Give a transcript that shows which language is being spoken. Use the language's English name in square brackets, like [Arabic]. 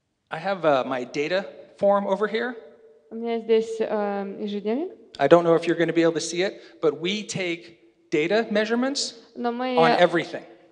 [English] I have my data form over here. [Russian] У меня здесь ежедневник. [English] I don't know if you're going to be able to see it, but we take data measurements on everything.